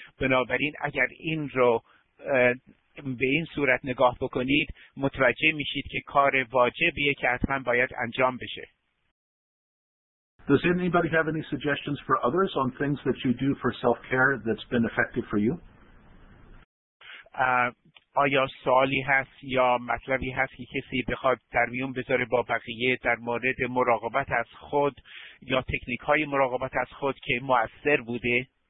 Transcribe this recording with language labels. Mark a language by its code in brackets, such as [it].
[fa] بنابراین اگر این رو به این صورت نگاه بکنید، متوجه میشید که کار واجبیه که حتما باید انجام بشه. [en] Does anybody have any suggestions for others on things that you do for self-care that's been effective for you? [fa] آیا سوالی هست یا مطلبی هست که کسی بخواد در میون بذاره با بقیه در مورد مراقبت از خود یا تکنیک های مراقبت از خود که مؤثر بوده؟